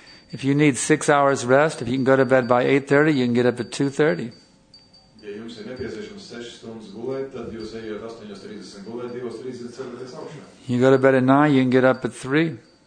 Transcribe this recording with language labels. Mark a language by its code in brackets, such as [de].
[en] If you need 6 hours rest, if you can go to bed by 8:30, you can get up at 2:30. [lv] Ja jums ir nepieciešams 6 stundas gulēt, tad jūs ejot 8:30 gulēt, 2:30 celties augšā. [en] You go to bed at 9, you can get up at 3.